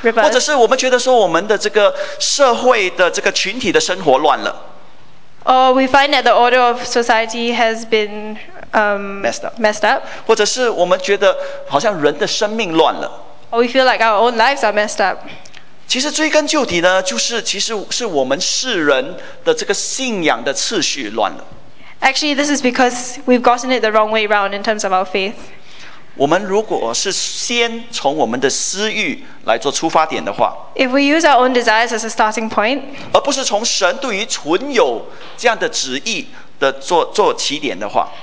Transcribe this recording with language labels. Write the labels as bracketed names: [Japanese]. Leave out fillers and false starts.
[Chinese] 或者是我们觉得说我们的这个社会的这个群体的生活乱了。 [English] Or we find that the order of society has been messed up. [Chinese] 或者是我们觉得好像人的生命乱了。 [English] Or we feel like our own lives are messed up. [Chinese] 其实追根究底呢，就是其实是我们世人的这个信仰的次序乱了。 [English] Actually, this is because we've gotten it the wrong way around in terms of our faith. [Chinese] 我们如果是先从我们的私欲来做出发点的话， [English] If we use our own desires as a starting point, [Chinese] 而不是从神对于存有这样的旨意的 做起点的话，